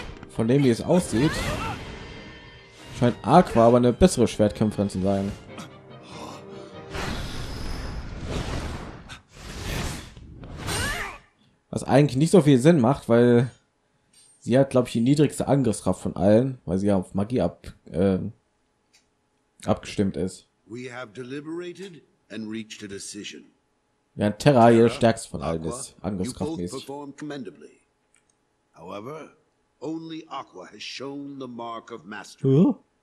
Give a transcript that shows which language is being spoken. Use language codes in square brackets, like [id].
[de] Von dem, wie es aussieht, scheint Aqua aber eine bessere Schwertkämpferin zu sein. Was eigentlich nicht so viel Sinn macht, weil sie hat, glaube ich, die niedrigste Angriffskraft von allen, weil sie ja auf Magie abgestimmt ist. [en] We have deliberated and reached a decision. [de] Während Terra ihr stärkste von allen ist, angriffskraftmäßig. [en] However, only Aqua has shown the mark of mastery.